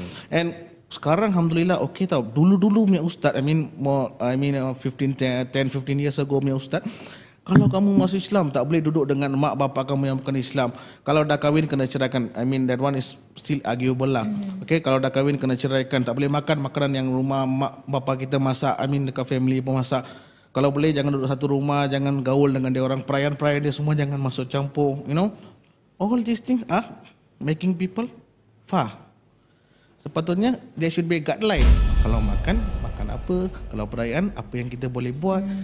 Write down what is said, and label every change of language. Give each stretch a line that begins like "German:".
Malay: And sekarang alhamdulillah okay tau. Dulu-dulu punya ustaz,
English: I mean 10-15 years ago
Malay: punya ustaz, kalau kamu masuk Islam tak boleh duduk dengan mak bapak kamu yang bukan Islam. Kalau dah kahwin kena ceraikan.
English: I mean that one is still arguable lah.
Malay: Okay, kalau dah kahwin kena ceraikan. Tak boleh makan makanan yang rumah mak bapak kita masak.
English: I mean
Malay: dekat family pun masak. Kalau boleh jangan duduk satu rumah, jangan gaul dengan dia orang, perayaan-perayaan dia semua jangan masuk campur.
English: You know, all these things are making people far.
Malay: Sepatutnya
English: there should be a guideline.
Malay: Kalau makan, makan apa? Kalau perayaan, apa yang kita boleh buat?